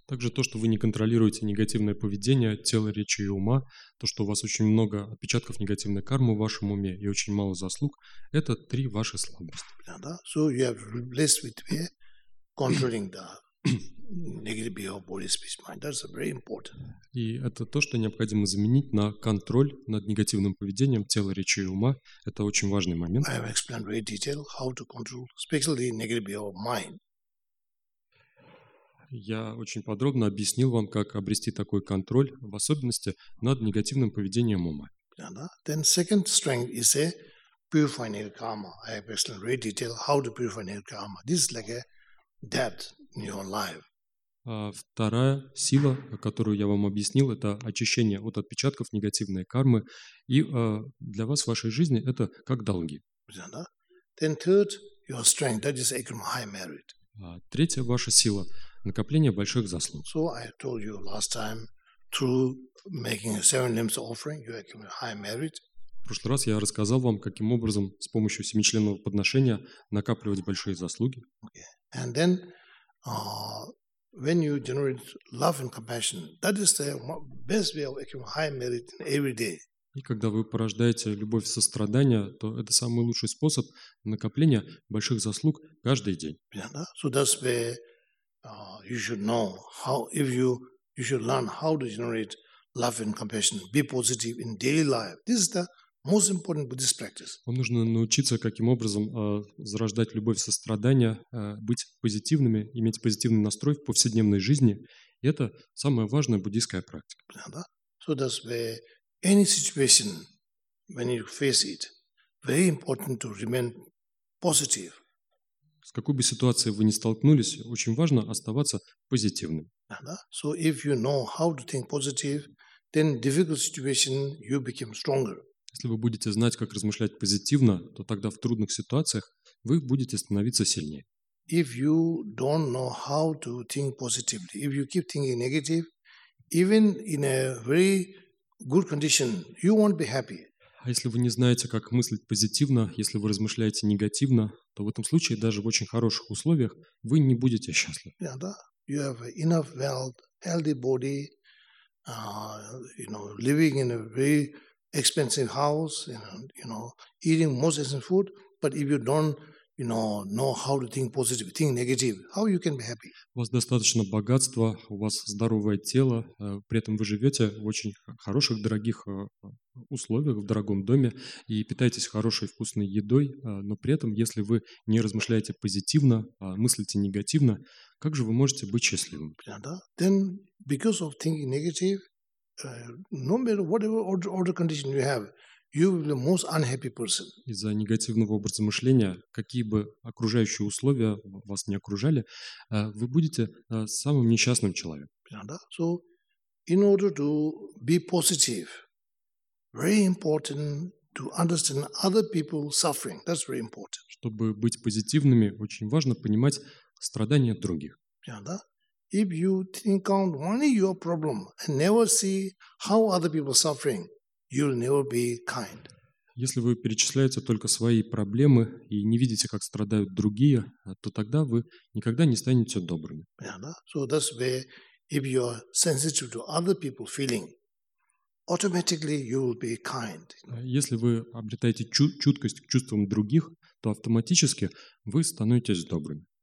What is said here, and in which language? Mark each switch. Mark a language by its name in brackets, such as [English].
[Russian] Также то, что вы не контролируете негативное поведение тела, речи и ума, то, что у вас очень много отпечатков негативной кармы в вашем уме и очень мало заслуг, это три ваши слабости. Yeah, да. [English] So you have replaced with controlling the negative behavior of body, speech, mind. That's very important. [Russian] И это то, что необходимо заменить на контроль над негативным поведением тела, речи и ума. Это очень важный момент. [English] I have explained very detail how to control, especially negative behavior of mind. [Russian] Я очень подробно объяснил вам, как обрести такой контроль, в особенности над негативным поведением ума. [English] Then second strength is a purify nirkama. I have explained great detail how to purify nirkama. This is like a depth in your life. [Russian] Вторая сила, которую я вам объяснил, это очищение от отпечатков негативной кармы. И для вас в вашей жизни это как долги. [English] Then third, your strength, that is akram, high merit. [Russian] Третья ваша сила – накопление больших заслуг. [English] So I told you last time, through making a seven limbs offering, you accumulate high merit. [Russian] В прошлый раз я рассказал вам, каким образом с помощью семичленного подношения накапливать большие заслуги. [English] Okay. And then, when you generate love and compassion, that is the best way of accumulating high merit every day. [Russian] И когда вы порождаете любовь и сострадание, то это самый лучший способ накопления больших заслуг каждый день. [English] So that's where you should know how, if you should learn how to generate love and compassion, be positive in daily life. This is the most important Buddhist practice. [Russian] Вам нужно научиться, каким образом зарождать любовь и сострадание, быть позитивными, иметь позитивный настрой в повседневной жизни. И это самая важная буддийская практика. [English] So that's where any situation, when you face it, very important to remain positive. [Russian] С какой бы ситуацией вы ни столкнулись, очень важно оставаться позитивным. [English] So if you know how to think positive, then difficult situation you become stronger. [Russian] Если вы будете знать, как размышлять позитивно, то тогда в трудных ситуациях вы будете становиться сильнее. [English] If you don't know how to think positively, if you keep thinking negative, even in a very good condition, you won't be happy. [Russian] А если вы не знаете, как мыслить позитивно, если вы размышляете негативно, то в этом случае даже в очень хороших условиях вы не будете счастливы. Yeah, да. [English] You have enough wealth, healthy body, you know, living in a very expensive house, you know, eating most expensive food, but if you don't know how to think positive, think negative, how you can be happy? [Russian] У вас достаточно богатства, у вас здоровое тело, при этом вы живете в очень хороших, дорогих условиях, в дорогом доме, и питаетесь хорошей, вкусной едой, но при этом, если вы не размышляете позитивно, мыслите негативно, как же вы можете быть счастливым? [English] Then, because of thinking negative, no matter whatever order condition you have, you will be the most unhappy person. [Russian] Из-за негативного образа мышления, какие бы окружающие условия вас не окружали, вы будете самым несчастным человеком. [English] So, in order to be positive, very important to understand other people's suffering. That's very important. [Russian] Чтобы быть позитивными, очень важно понимать страдания других. [English] If you think on only your problem and never see how other people are suffering, you'll never be kind. [Russian] Если вы перечисляете только свои проблемы и не видите, как страдают другие, то тогда вы никогда не станете добрыми. [English] So that's where, if you're sensitive to other people's feeling, automatically you will be kind. [Russian] Если вы обретаете чуткость к чувствам других, то автоматически вы становитесь добрыми.